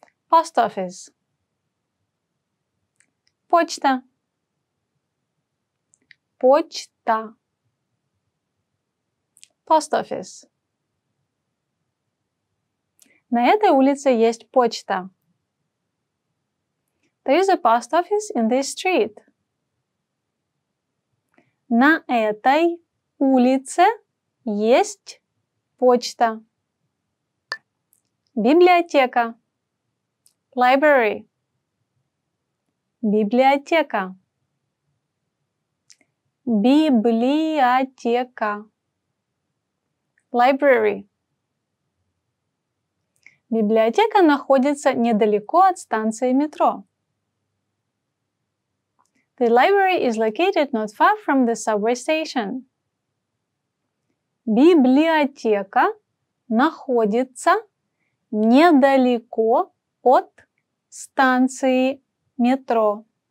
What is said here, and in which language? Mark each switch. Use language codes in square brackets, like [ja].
[en] Post office. [ru] Почта. Почта. [en] Post office. [ru] На этой улице есть почта. [en] There is a post office in this street. [ru] На этой улице есть почта. Библиотека. [en] Library. [ru] Библиотека. Библиотека. Library. Библиотека находится недалеко от станции метро. [en] The library is located not far from the subway station. [ru] Библиотека находится недалеко от станции метро.